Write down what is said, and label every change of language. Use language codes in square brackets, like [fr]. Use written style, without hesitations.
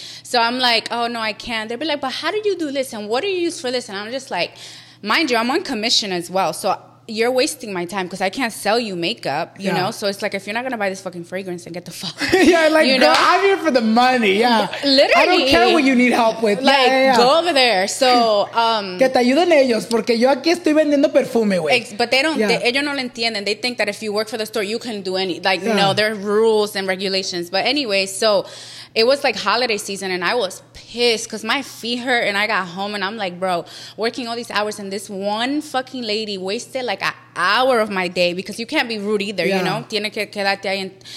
[en] So I'm like, oh, no, I can't. They'd be like, but how do you do this? And what do you use for this? And I'm just like, mind you, I'm on commission as well. So you're wasting my time because I can't sell you makeup, you know? So it's like, if you're not going to buy this fucking fragrance, then get the fuck. Girl, I'm here for the money. Yeah. Literally. I don't care what you need help with. Go over there. So. [es] Que te ayuden ellos porque yo aquí estoy vendiendo perfume, güey. [en] But they don't, [es] ellos no lo entienden. [en] They think that if you work for the store, you can do any, no, there are rules and regulations. But anyway, so. It was like holiday season and I was pissed because my feet hurt and I got home and I'm like, bro, working all these hours and this one fucking lady wasted like an hour of my day because you can't be rude either, you know? [es] Tiene que quedarte ahí.